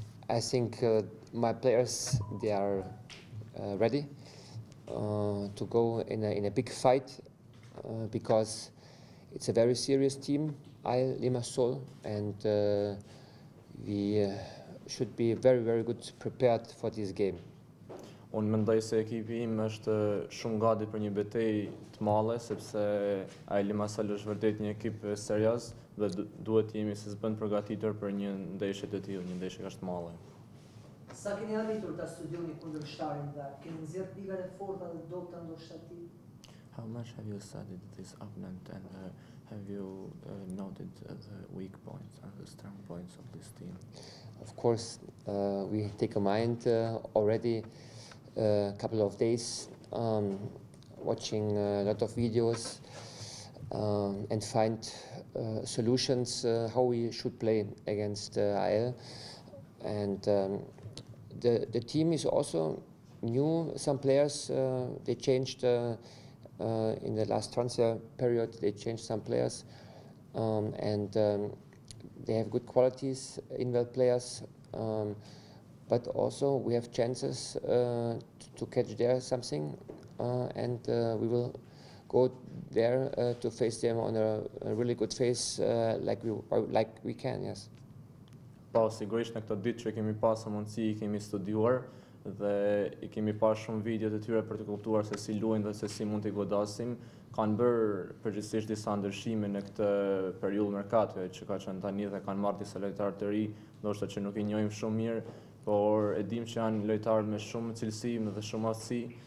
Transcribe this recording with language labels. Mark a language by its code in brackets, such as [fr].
[en] I think my players, they are ready to go in a big fight because it's a very serious team, AEL Limassol, and we should be very, very good prepared for this game. [sq] Unë mendoj se ekipi im është shumë gati për një betejë të madhe, sepse AEL Limassol është vërtet një ekip serioz dhe duhet të jemi së bën përgatitur për një ndeshje të tillë, një ndeshje kështu të madhe. Sa keni arritur ta studioni kundërshtarin dhe keni nxjerr pikat e forta dhe dobta ndoshta ti? [en] How much have you studied this opponent and have you noted the weak points and the strong points of this team? Of course, we take a mind already a couple of days, watching a lot of videos and find solutions how we should play against AEL. And the team is also new. Some players, they changed in the last transfer period, they changed some players and they have good qualities, inward players. But also we have chances to catch there something and we will go there to face them on a really good face like we can, yes. [sq] Po, sigurisht në këto ditë që kemi pasë mundësi, i kemi studiuar dhe i kemi pasë shumë video të tyre për të kuptuar se si luajnë dhe se si mund të godasim. Kanë bërë përgjithsisht disa ndryshime në këtë periudhë mërkatve që ka qënë tani dhe kanë marrë disa lojtarë të ri, ndoshta që nuk i njojmë shumë mirë, por e dim që janë lojtarë me shumë cilësi dhe shumë aftësi.